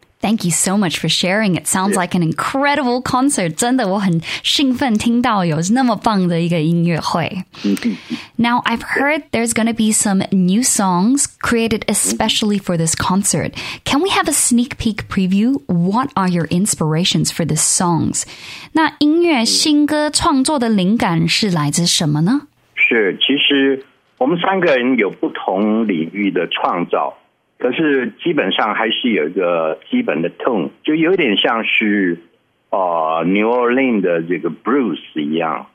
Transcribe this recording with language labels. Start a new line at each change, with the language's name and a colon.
English: Thank you so much for sharing. It sounds like an incredible concert.
Chinese: 真的我很兴奋听到有那么棒的一个音乐会。
English: Now, I've heard there's going to be some new songs created especially for this concert. Can we have a sneak peek preview? What are your inspirations for the songs?
Chinese: 那音乐新歌创作的灵感是来自什么呢？是，其实我们三个人有不同领域的创造，可是基本上还是有一个基本的 tone， 就有点像是New Orleans 的这个 blues 一样。